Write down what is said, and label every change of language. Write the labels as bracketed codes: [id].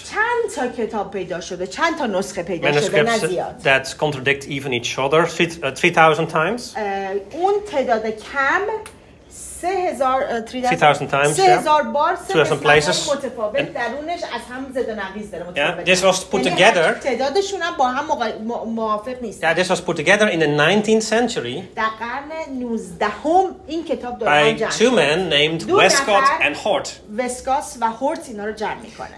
[fa] چند تا کتاب پیدا شده چند تا نسخه پیدا manuscripts شده نزیاد [en] that contradict even each other 3,000 times [fa] اون تعداد کم [en] 3,000 times 3,000 yeah. [fa] بار [en] 3,000 places [fa] متفاوت درونش از هم زد و نقیز داره متفاوت [en] yeah. This was put together [fa] تعدادشون هم با هم موافق نیست [en] yeah, this was put together in the 19th century [fa] در قرن 19 هم این کتاب دوران جمع شده [en] by two men named Westcott and Hort [fa] Westcott و Hort اینا رو جمع میکنه